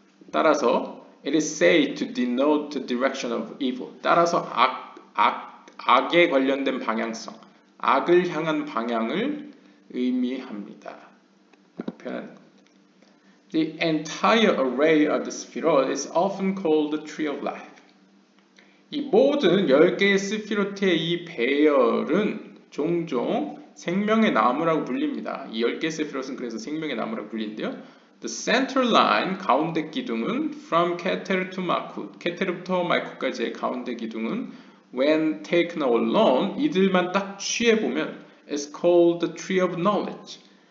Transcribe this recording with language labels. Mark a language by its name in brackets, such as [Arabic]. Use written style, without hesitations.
[Korean] 따라서 [English] it is said to denote the direction of evil. [Korean] 따라서 악에 관련된 방향성, 악을 향한 방향을 의미합니다. 표현. [English] The entire array of the Sefirot is often called the tree of life. [Korean] 이 모든 10개의 스피로트의 이 배열은 종종 생명의 나무라고 불립니다. 이 10개 세피롯은 그래서 생명의 나무라고 불린대요. [English] The center line, [Korean] 가운데 기둥은 [English] from Keter to Malkuth. [Korean] 케테르부터 말쿠트까지의 가운데 기둥은 [English] when taken alone, [Korean] 이들만 딱 취해 보면 [English] is called the tree of knowledge.